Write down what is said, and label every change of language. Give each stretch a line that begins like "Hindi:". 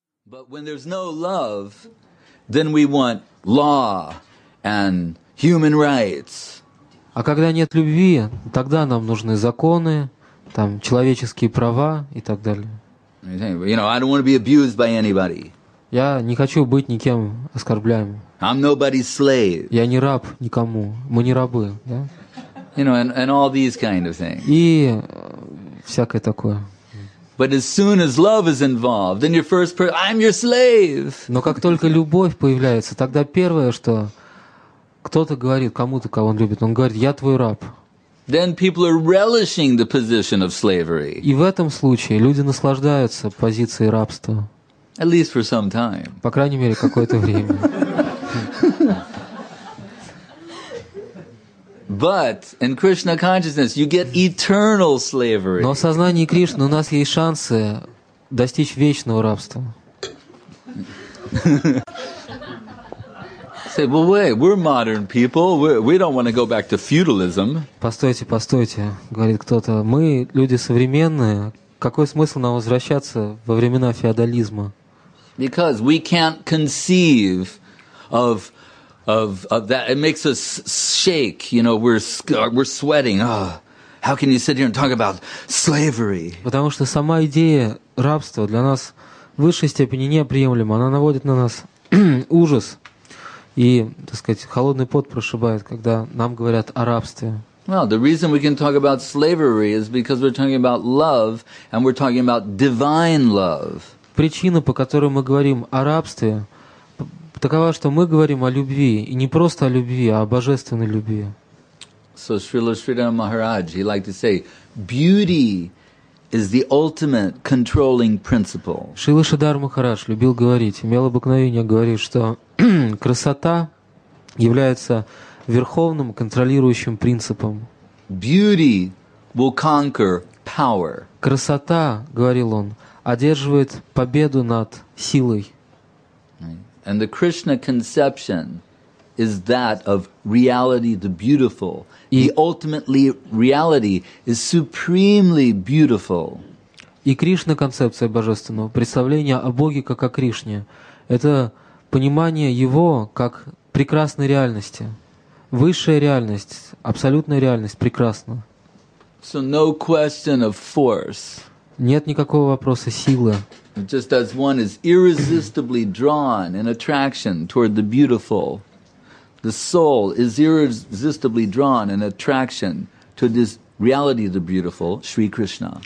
English: But when there's no love, then we want law and human rights.
Russian: А когда нет любви, тогда нам нужны законы, там человеческие права и так далее.
English: You know, I don't want to be abused by anybody.
Russian: Я не хочу быть никем оскорбляемым.
English: I'm nobody's slave.
Russian: Я не раб никому. Мы не рабы, да?
English: You know, and all these kind of things.
Russian: И всякое такое.
English: But as soon as love is involved, then your first person, I'm your slave.
Russian: Но как только любовь появляется, тогда первое, что кто-то говорит кому-то, кого он любит, он говорит, я твой раб.
English: Then people are relishing the position of slavery.
Russian: И в этом случае люди наслаждаются позицией рабства.
English: At least for some time.
Russian: По крайней мере, какое-то время.
English: But in Krishna consciousness you get eternal slavery.
Russian: Но в сознании Кришны у нас есть шансы достичь вечного рабства.
English: Say, well, wait, we're modern people. We don't want to go back to feudalism.
Russian: Постойте, постойте, говорит кто-то. Мы люди современные. Какой смысл нам возвращаться во времена феодализма?
English: Because we can't conceive of that, it makes us shake. You know, we're sweating. Oh, how can you sit here and talk about slavery?
Russian: Потому что сама идея рабства для нас в высшей степени неприемлема. Она наводит на нас ужас и, так сказать, холодный пот прошибает, когда нам говорят о рабстве.
English: Well, the reason we can talk about slavery is because we're talking about love and we're talking about divine love.
Russian: Причина, по которой мы говорим о рабстве, такова, что мы говорим о любви, и не просто о любви, а о божественной любви.
English: So Srila Sridhara Maharaj, he liked to say, beauty is the ultimate controlling principle.
Russian: Шрила Шридхара Махарадж любил говорить, имел обыкновение говорить, что красота является верховным контролирующим принципом.
English: Beauty will conquer power.
Russian: Красота, говорил он, одерживает победу над силой.
English: And the Krishna conception is that of reality, the beautiful. The ultimately reality is supremely beautiful.
Russian: И Кришна концепция божественного, представление о Боге как о Кришне, это понимание его как прекрасной реальности, высшая реальность, абсолютная реальность, прекрасна.
English: So no question of force.
Russian: Нет никакого вопроса силы.
English: Just as one is irresistibly drawn in attraction toward the beautiful, the soul is irresistibly drawn in attraction to this reality of the beautiful, Shri Krishna.